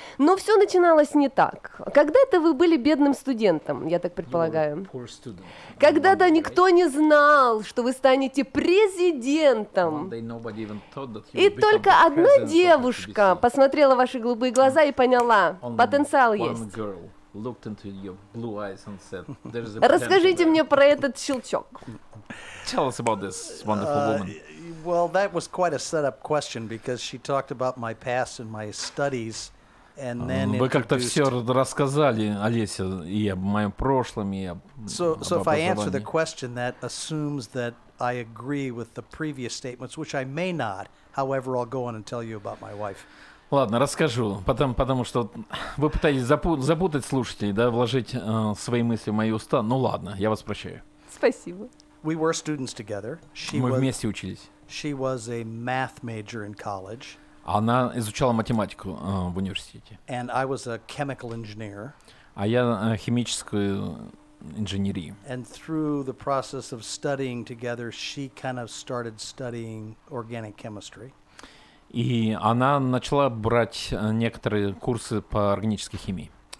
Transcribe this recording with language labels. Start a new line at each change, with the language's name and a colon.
Russian: Но все начиналось не так. Когда-то вы были бедным студентом, я так предполагаю. Когда-то никто не знал, что вы станете президентом. И только одна девушка посмотрела в ваши голубые глаза и поняла, потенциал есть.
English: Looked into your blue eyes and said, "There's a..."
Russian: Расскажите there. Мне про этот щелчок.
English: Tell us about this wonderful woman. Well, that was quite a setup question because she talked about my past and my studies, and then
Russian: вы как-то все рассказали, Олеся, и об моем прошлом, и об
English: So if I answer the question, that assumes that I agree with the previous statements, which I may not. However, I'll go on and tell you about my wife.
Russian: Ладно, расскажу, потому что вы пытаетесь запутать слушателей, да, вложить свои мысли в мои уста. Ну ладно, я вас прощаю. Спасибо.
English: We were students together.
Russian: Мы вместе учились.
English: She was a math major in college.
Russian: Она изучала математику в университете.
English: And I was a chemical engineer.
Russian: А я химическую инженерию.
English: And through the process of studying together, she kind of started studying organic chemistry.
Russian: И она начала брать некоторые курсы по органической химии.